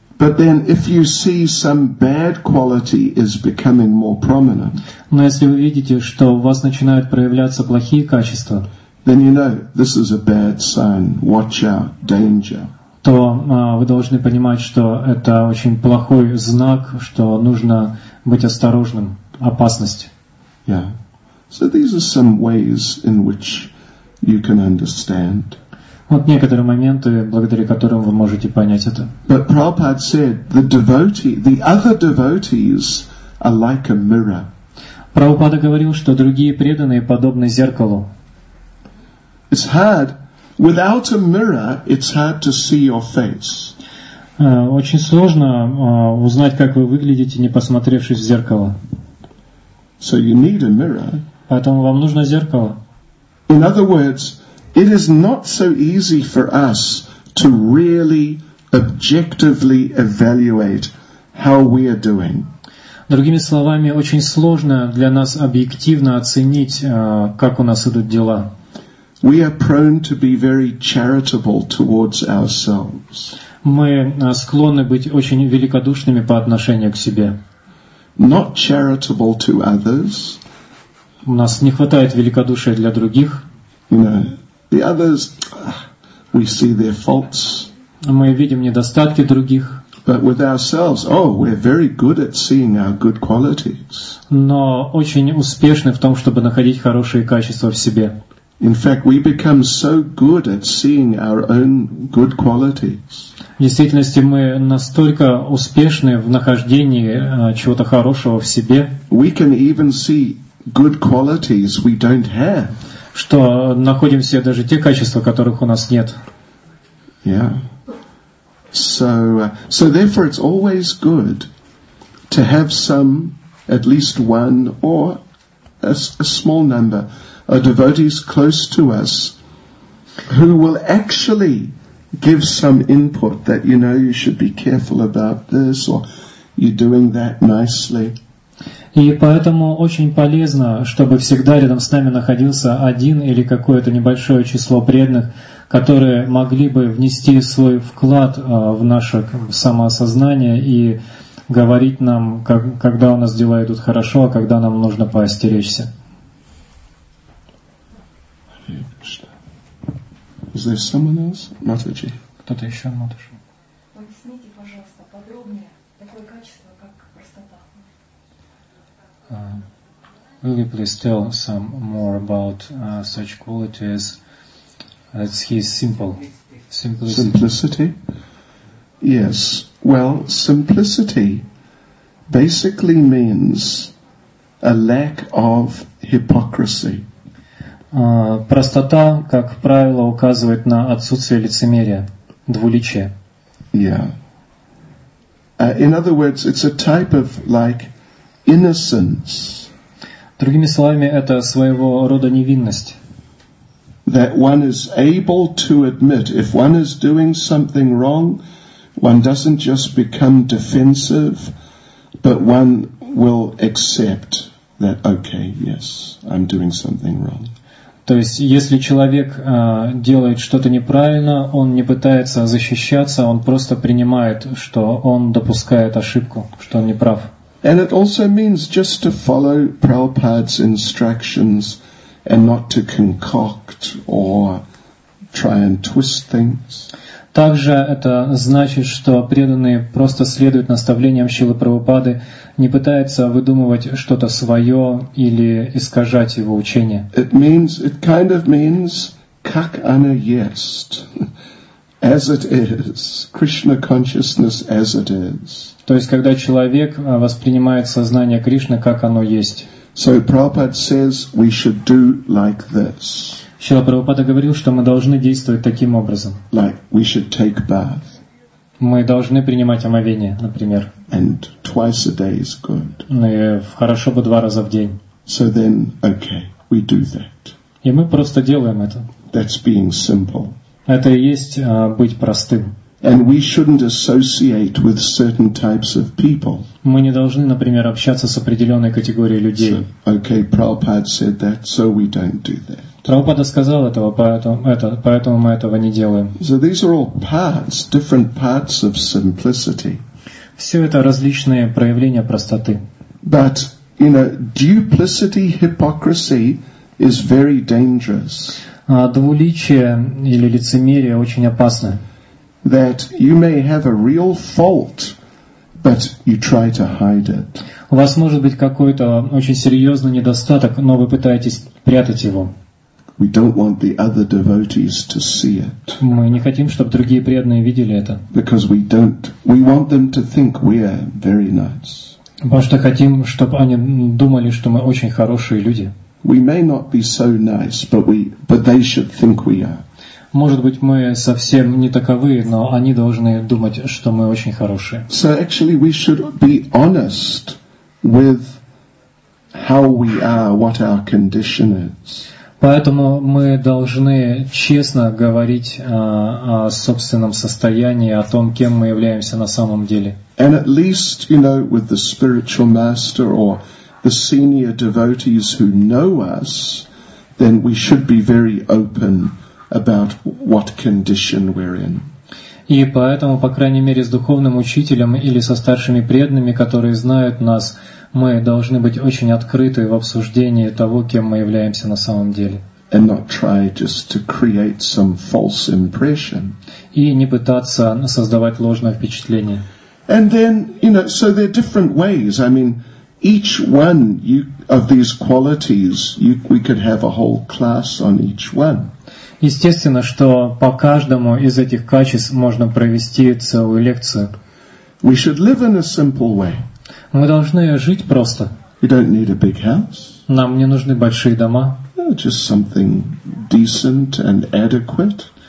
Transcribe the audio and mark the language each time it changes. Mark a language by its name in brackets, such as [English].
[English] But then, if you see some bad quality is becoming more prominent. [Russian] Но если вы видите, что у вас начинают проявляться плохие качества. [English] Then you know this is a bad sign. Watch out, danger. [Russian] То вы должны понимать, что это очень плохой знак, что нужно быть осторожным, опасность. [English] Yeah. So these are some ways in which you can understand. [Russian] Вот некоторые моменты, благодаря которым вы можете понять это. [English] But Prabhupada said the devotee, the other devotees are like a mirror. [Russian] Прабхупада говорил, что другие преданные подобны зеркалу. [English] It's hard without a mirror, it's hard to see your face. [Russian] Очень сложно узнать, как вы выглядите, не посмотревшись в зеркало. [English] So you need a mirror. [Russian] Поэтому вам нужно зеркало. [English] In other words, it is not so easy for us to really objectively evaluate how we are doing. [Russian] Другими словами, очень сложно для нас объективно оценить, как у нас идут дела. [English] We are prone to be very charitable towards ourselves. [Russian] Мы склонны быть очень великодушными по отношению к себе. [English] Not charitable to others. [Russian] У нас не хватает великодушия для других. [English] You know, the others, we see their faults. [Russian] Мы видим недостатки других. [English] But with ourselves, we're very good at seeing our good qualities. [Russian] Но очень успешны в том, чтобы находить хорошие качества в себе. [English] In fact, we become so good at seeing our own good qualities. [Russian] В действительности мы настолько успешны в нахождении чего-то хорошего в себе. [English] We can even see good qualities we don't have. [Russian] Что находим все даже те качества, которых у нас нет. [English] Yeah. So therefore it's always good to have some, at least one or a small number of devotees close to us who will actually give some input that, you know, you should be careful about this or you're doing that nicely. [Russian] И поэтому очень полезно, чтобы всегда рядом с нами находился один или какое-то небольшое число преданных, которые могли бы внести свой вклад в наше самоосознание и говорить нам, когда у нас дела идут хорошо, а когда нам нужно поостеречься. [English] Is there someone else? Матаджи. [Russian] Кто-то еще, Матаджи. Поясните, пожалуйста, подробнее такое качество, как простота. [English] Will you please tell some more about such qualities? It's his simple. Simplicity? Yes. Well, simplicity basically means a lack of hypocrisy. [Russian] Простота, как правило, указывает на отсутствие лицемерия, двуличия. [English] Yeah. In other words, it's a type of like innocence. [Russian] Другими словами, это своего рода невинность. [English] that one is able to admit. If one is doing something wrong, one doesn't just become defensive, but one will accept that, okay, yes, I'm doing something wrong. [Russian] То есть, если человек делает что-то неправильно, он не пытается защищаться, он просто принимает, что он допускает ошибку, что он неправ. [English] And it also means just to follow Prabhupada's instructions and not to concoct or try and twist things. [Russian] Также это значит, что преданные просто следуют наставлениям Шилы Прабхупады, не пытаются выдумывать что-то свое или искажать его учение. [English] It means, it kind of means, [Russian] как оно есть, [English] as it is, Krishna consciousness as it is. [Russian] То есть, когда человек воспринимает сознание Кришны, как оно есть. [English] So Prabhupada says, we should do like this. [Russian] Шрила Прабхупада говорил, что мы должны действовать таким образом. [English] Like we should take bath. [Russian] Мы должны принимать омовение, например. [English] And twice a day is good. [Russian] И хорошо бы два раза в день. [English] So then, okay, we do that. [Russian] И мы просто делаем это. [English] That's being simple. [Russian] Это и есть быть простым. [English] And we shouldn't associate with certain types of people. [Russian] Мы не должны, например, общаться с определенной категорией людей. [English] So, okay, Prabhupada said that, so we don't do that. [Russian] Прабхупада сказал этого, поэтому мы этого не делаем. [English] So these are all parts, different parts of simplicity. [Russian] Все это различные проявления простоты. [English] But, you know, duplicity, hypocrisy is very dangerous. [Russian] Двуличие или лицемерие очень опасно. [English] That you may have a real fault, but you try to hide it. [Russian] У вас может быть какой-то очень серьезный недостаток, но вы пытаетесь прятать его. [English] We don't want the other devotees to see it. [Russian] Мы не хотим, чтобы другие преданные видели это. [English] Because we don't. We want them to think we are very nice. [Russian] Потому что хотим, чтобы они думали, что мы очень хорошие люди. [English] We may not be so nice, but they should think we are. [Russian] Может быть, мы совсем не таковы, но они должны думать, что мы очень хорошие. [English] So actually we should be honest with how we are, what our condition is. [Russian] Поэтому мы должны честно говорить о собственном состоянии, о том, кем мы являемся на самом деле. [English] And at least, you know, with the spiritual master or the senior devotees who know us, then we should be very open about what condition we're in. [Russian] И поэтому, по крайней мере, с духовным учителем или со старшими преданными, которые знают нас, мы должны быть очень открыты в обсуждении того, кем мы являемся на самом деле. [English] And not try just to create some false impression. [Russian] И не пытаться создавать ложное впечатление. [English] And then, you know, so there are different ways. I mean, each one of these qualities, we could have a whole class on each one. [Russian] Естественно, что по каждому из этих качеств можно провести целую лекцию. [English] We should live in a simple way. [Russian] Мы должны жить просто. [English] We don't need a big house. [Russian] Нам не нужны большие дома. [English] Just something decent and adequate.